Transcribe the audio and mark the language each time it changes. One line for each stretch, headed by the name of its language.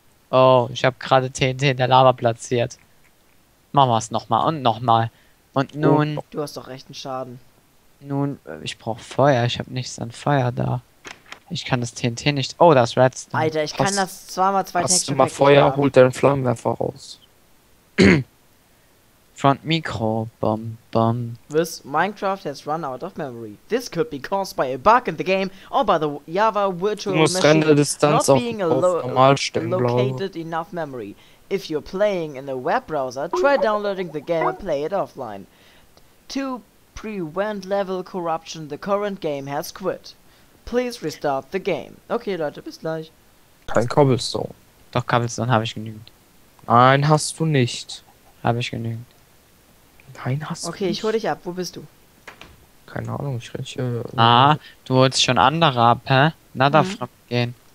German: Oh, ich habe gerade TNT in der Lava platziert. Machen wir es nochmal und nochmal. Und nun. Du hast doch echt einen Schaden. Nun, ich brauche Feuer. Ich habe nichts an Feuer da. Ich kann das TNT nicht. Oh, das Redstone. Alter, ich kann das zweimal zwei Texture Packs. Hast du mal Feuer, holt deinen Flammenwerfer raus. Front Mikro, bum bum.
English: This Minecraft has run out of memory. This could be caused by a bug in the game or by the Java Virtual Machine not being
German: auf normal stellen,
English: located enough memory. If you're playing in a web browser, try downloading the game and play it offline. To prevent level corruption, the current game has quit. Please restart the game.
German: Okay, Leute, bis gleich. Kein Cobblestone. Doch, Cobblestone habe ich genügend. Nein, hast du nicht. Habe ich genügend. Nein, hast du nicht. Okay, ich hol dich ab. Wo bist du? Keine Ahnung, ich renne hier. Ah, du holst schon andere ab, hä? Na, da fremd gehen.